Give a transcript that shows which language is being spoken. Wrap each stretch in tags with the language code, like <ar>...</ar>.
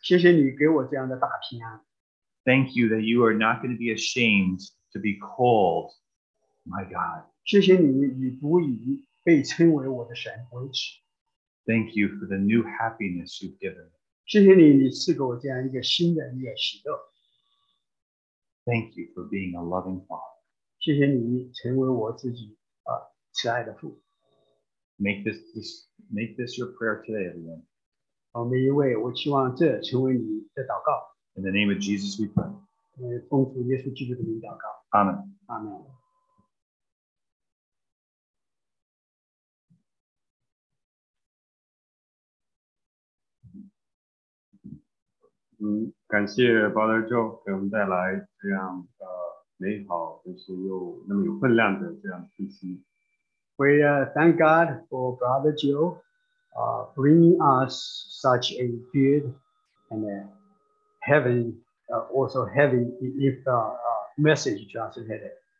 <zh>谢谢你给我这样的大平安。</zh> <en>Thank you that you are not going to be ashamed to be called my God.</en> <zh>谢谢你，你不以被称为我的神为耻。</zh> <en>Thank you for the new happiness you've given.</en> <zh>谢谢你，你赐给我这样一个新的喜乐。</zh> <en>Thank you for being a loving Father.</en> <zh>谢谢你成为我自己慈爱的父。</zh> <en>Make this your prayer today, everyone.</en> <zh>每一位，我希望这成为你的祷告。</zh> <en>In the name of Jesus, we pray.</en> <zh>奉主耶稣基督的名祷告。</zh> <en>Amen. Amen.</en> <zh>感谢 Brother Joe 给我们带来这样美好，但是又那么有分量的这样信息。</zh> <en>We thank God for Brother Joe, bringing us such a good and a heavy, also heavy if message just hit it.</en>